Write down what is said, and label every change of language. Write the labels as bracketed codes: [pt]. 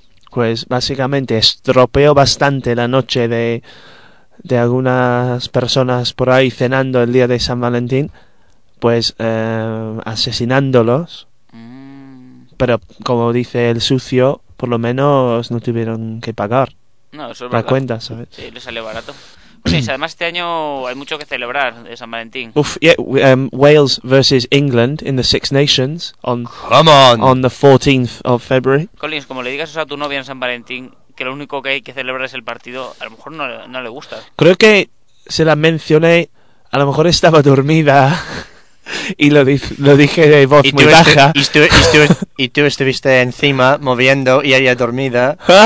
[es] Pues básicamente estropeó bastante la noche de algunas personas por ahí cenando el día de San Valentín, pues asesinándolos. Pero como dice el sucio, por lo menos no tuvieron que pagar. No, eso es la verdad. La cuenta, ¿sabes? Sí, les sale barato. Pues, además, este año hay mucho que celebrar de San Valentín. [en] Uf, yeah, Wales versus England in the Six Nations on, come on. On the 14th of February. [es] Collins, como le digas eso a tu novia en San Valentín, que lo único que hay que celebrar es el partido, a lo mejor no le gusta. Creo que se la mencioné, a lo mejor estaba dormida y lo dije de voz muy baja. Y tú estuviste encima moviendo y ella dormida.